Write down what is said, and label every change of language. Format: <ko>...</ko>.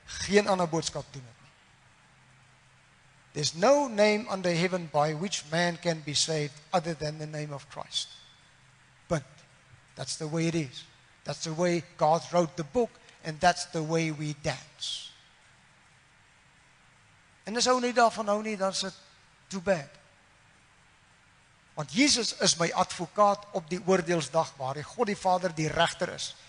<af>Geen ander boodskap doen het nie.</af> <en>There's no name under heaven by which man can be saved other than the name of Christ. But that's the way it is. That's the way God wrote the book and that's the way we dance.</en> <af>En as hou nie daarvan hou nie, dan is het</af> <en>too bad.</en> <af>Want Jesus is my advokaat op die oordeelsdag waar God die Vader die regter is.</af>